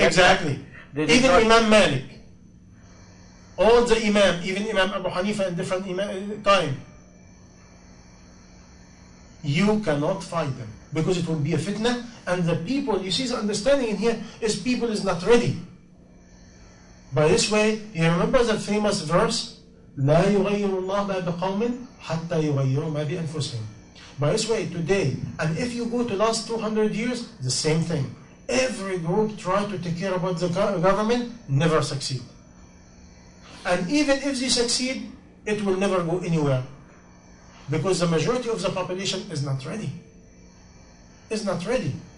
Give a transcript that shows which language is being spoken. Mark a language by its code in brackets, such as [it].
[en] Exactly. Even Imam Malik. All the Imam, even Imam Abu Hanifa in different time. You cannot fight them because it will be a fitna. And the people, you see the understanding in here is people is not ready. By this way, you remember that famous verse, [ar] لا يغير الله ما بقوم حتى يغيروا ما بأنفسهم. [en] By this way, today, and if you go to last 200 years, the same thing. Every group tried to take care about the government, never succeed. And even if they succeed, it will never go anywhere. Because the majority of the population is not ready. Is not ready.